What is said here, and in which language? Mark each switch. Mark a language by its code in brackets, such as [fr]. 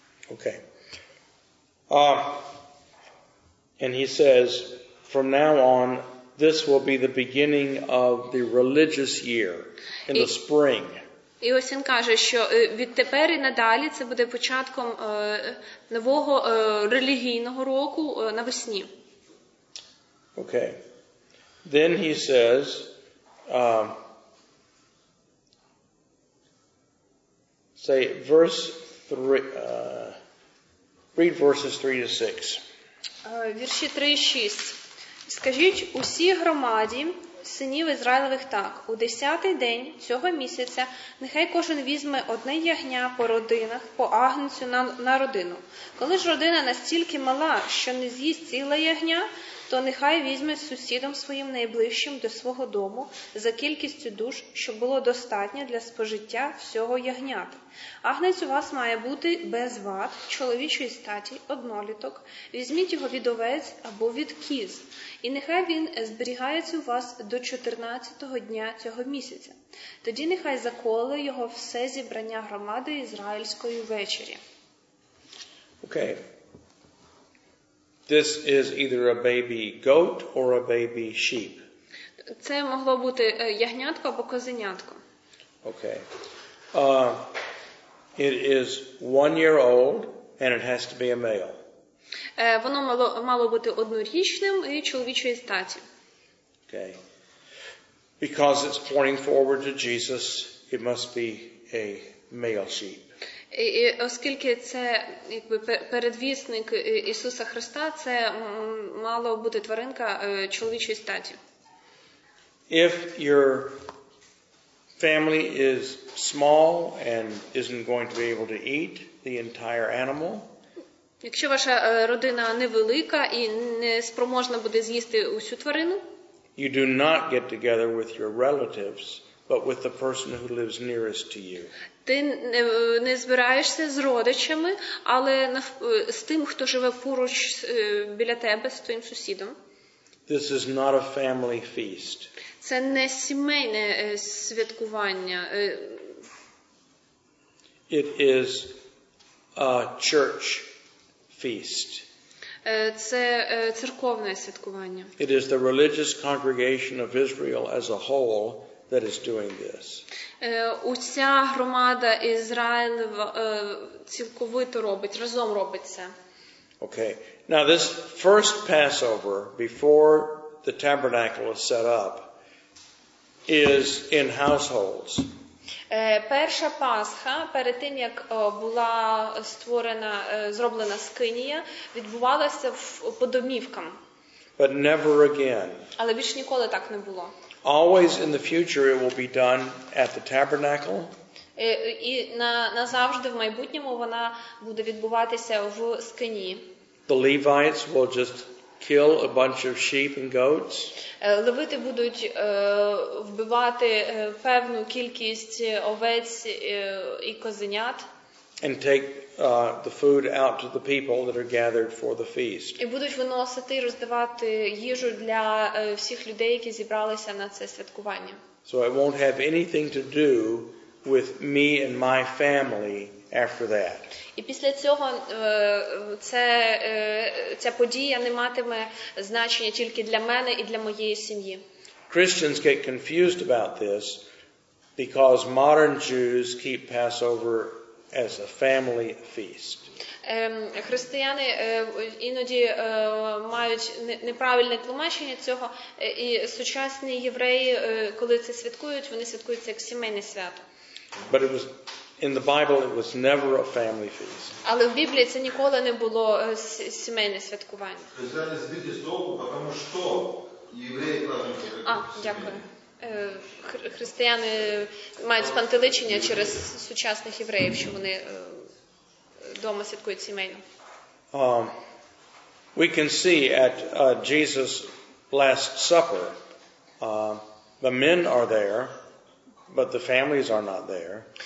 [en] Okay. And he says, from now on, this will be the beginning of the religious year in the spring. [uk] І ось він каже, що відтепер і надалі це буде початком нового релігійного року навесні. [en] Okay. Then he says, say verse 3, read verses 3 to 6. [uk] Вірші 3 і 6. Скажіть усі громаді синів Ізраїлевих так. У 10-й день цього місяця нехай кожен візьме одне ягня по родинах, по агнцю на родину. Коли ж родина настільки мала, що не з'їсть ціле ягня, то нехай візьме сусідом своїм найближчим до свого дому за кількістю душ, що було достатньо для спожиття всього ягнята. Агнець у вас має бути без вад, чоловічої статі, одноліток. Візьміть його від овець або від кіз. І нехай він зберігається у вас до 14-го дня цього місяця. Тоді нехай заколе його все зібрання громади ізраїльської ввечері. [en] Окей. Okay. This is either a baby goat or a baby sheep. [uk] Це могло бути ягнятко або козенятко. [en] Okay. It is 1 year old and it has to be a male. [uk] Воно мало бути однорічним і чоловічої статі. [en] Okay. Because it's pointing forward to Jesus, it must be a male sheep. [uk] І оскільки це якби передвісник Ісуса Христа, це мало бути тваринка чоловічої статі. [en] If your family is small and isn't going to be able to eat the entire animal, [uk] якщо ваша родина невелика і не спроможна буде з'їсти усю тварину, [en] you do not get together with your relatives, but with the person who lives nearest to you. [uk] Ти не збираєшся з родичами, але з тим, хто живе поруч біля тебе, з твоїм сусідом. [en] This is not a family feast. [uk] Це не сімейне святкування. [en] It is a church feast. [uk] Це церковне святкування. [en] It is the religious congregation of Israel as a whole that is doing this. [uk] Уся громада Ізраїлева цілковито робить, разом робить це. [en] Okay. Now this first Passover before the tabernacle is set up is in households. [uk] Перша Пасха, перед тим як була створена, зроблена скинія, відбувалася по домівкам. [en] But never again. [uk] Але більше ніколи так не було. [en] Always in the future it will be done at the tabernacle. [uk] І назавжди в майбутньому вона буде відбуватися в скині. [en] The Levites will just kill a bunch of sheep and goats. [uk] Левити будуть вбивати певну кількість овець і козенят. [en] And take the food out to the people that are gathered for the feast. [uk] І будуть виносити і роздавати їжу для всіх людей, які зібралися на це святкування. [en] So it won't have anything to do with me and my family after that. [uk] І після цього ця подія не матиме значення тільки для мене і для моєї сім'ї. [en] Christians get confused about this because modern Jews keep Passover as a family feast. [uk] християни іноді мають неправильне тлумачення цього, і сучасні євреї, коли це святкують, вони святкують це як сімейне свято. [en] But it was in the Bible it was never a family feast. [uk] Але в Біблії це ніколи не було сімейне святкування. Християни збиті з толку, тому що євреї кладуть. А, дякую. Християни мають спантеличення через сучасних євреїв, що вони дома святкують сімейно. [en] We can see at Jesus' Last Supper, the men are there, but the families are not there.